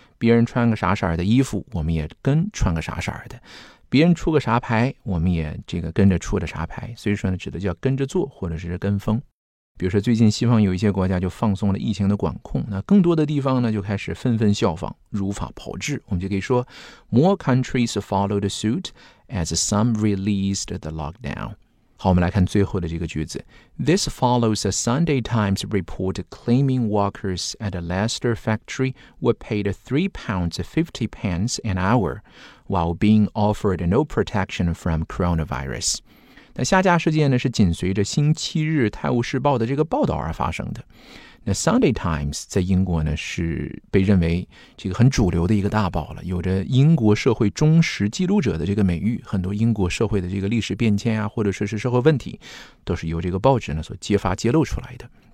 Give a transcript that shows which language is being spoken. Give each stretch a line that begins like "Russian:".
Chinese: 别人穿个啥色的衣服我们也跟穿个啥色的，别人出个啥牌我们也这个跟着出的啥牌，所以说呢指的叫跟着做或者是跟风。比如说最近西方有一些国家就放松了疫情的管控，那更多的地方呢就开始纷纷效仿，如法炮制。我们就可以说
English: More countries followed suit as some released the lockdown。
Chinese: 好，我们来看最后的这个句子。
English: This follows a Sunday Times report claiming workers at a Leicester factory were paid £3.50 an hour while being offered no protection from coronavirus.
Chinese: 那下架事件呢是紧随着星期日《泰晤士报》的这个报道而发生的。那 Sunday Times 在英国呢是被认为这个很主流的一个大报了，有着英国社会忠实记录者的这个美誉，很多英国社会的这个历史变迁啊，或者说是社会问题，都是由这个报纸呢所揭发揭露出来的。